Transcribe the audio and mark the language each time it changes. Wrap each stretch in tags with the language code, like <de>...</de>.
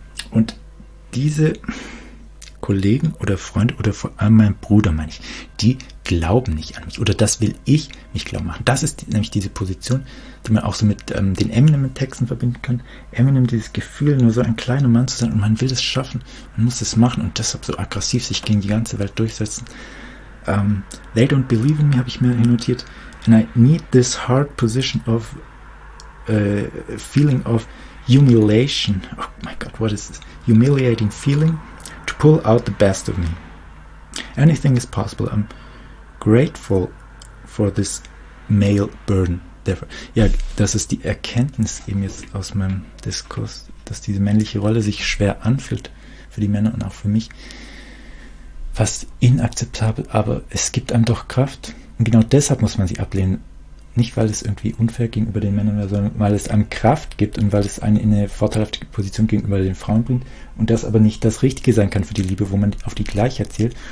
<de>Und diese Kollegen oder Freunde oder vor allem mein Bruder, meine ich, die glauben nicht an mich oder das will ich nicht glauben machen. Das ist nämlich diese Position, die man auch so mit den Eminem-Texten verbinden kann. Eminem, dieses Gefühl, nur so ein kleiner Mann zu sein und man will es schaffen, man muss es machen und deshalb so aggressiv sich gegen die ganze Welt durchsetzen.</de> <en>They don't believe in me,</en> <de>habe ich mir notiert.</de> <en>And I need this hard position of feeling of humiliation. Oh my God, what is this? Humiliating feeling to pull out the best of me. Anything is possible. I'm grateful for this male burden. Therefore.</en> <de>Ja, das ist die Erkenntnis eben jetzt aus meinem Diskurs, dass diese männliche Rolle sich schwer anfühlt für die Männer und auch für mich. Fast inakzeptabel, aber es gibt einem doch Kraft. Und genau deshalb muss man sie ablehnen. nicht, weil es irgendwie unfair gegenüber den Männern wäre, sondern weil es einem Kraft gibt und weil es einen in eine vorteilhafte Position gegenüber den Frauen bringt und das aber nicht das Richtige sein kann für die Liebe, wo man auf die Gleichheit zählt.</de>